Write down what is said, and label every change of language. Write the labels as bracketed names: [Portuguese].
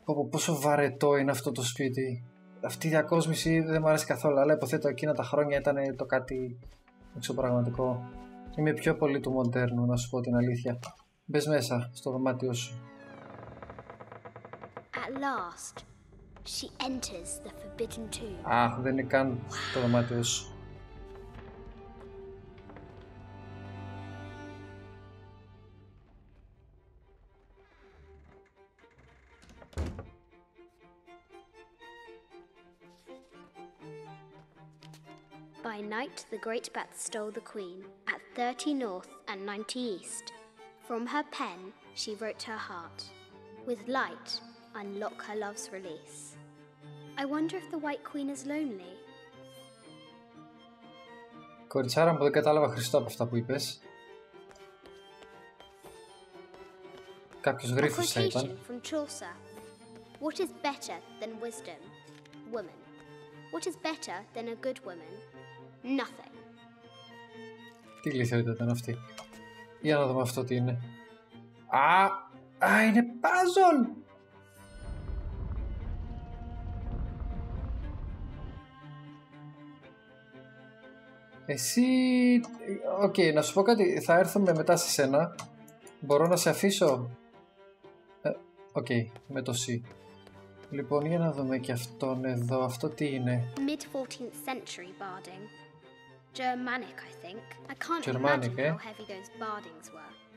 [Greek] Πόσο βαρετό είναι αυτό το σπίτι. Αυτή η διακόσμηση δεν μου αρέσει καθόλου, αλλά υποθέτω εκείνα τα χρόνια ήταν το κάτι εξωπραγματικό. Είμαι πιο πολύ του μοντέρνου, να σου πω την αλήθεια. Μπες μέσα, στο δωμάτιό σου. [English] At last, she enters the forbidden tomb. [Greek] Α, δεν είναι καν το δωμάτιό σου. [English] By night, the great bat stole the queen at 30 north and 90 east. From her pen, she wrote her heart. With light, unlock her love's release. I wonder if the white queen is lonely. [Greek] Κοριτσάρα μου, δεν κατάλαβα χριστό από αυτά που είπες. Κάποιος γρίφος θα ήταν. From [English] What is better than wisdom, woman? What is better than a good woman? Nothing. [Greek] Τι λιθιότητα ήταν αυτή. Για να δούμε αυτό τι είναι. Α! Α, είναι παζόλ! Εσύ... Okay, να σου πω κάτι. Θα έρθουμε μετά σε σένα. Μπορώ να σε αφήσω? Okay, με το C. Λοιπόν, για να δούμε και αυτόν εδώ. Αυτό τι είναι? [English] Mid-14th century barding. Germanic, I think. I can't Germanic, imagine how heavy those bardings were.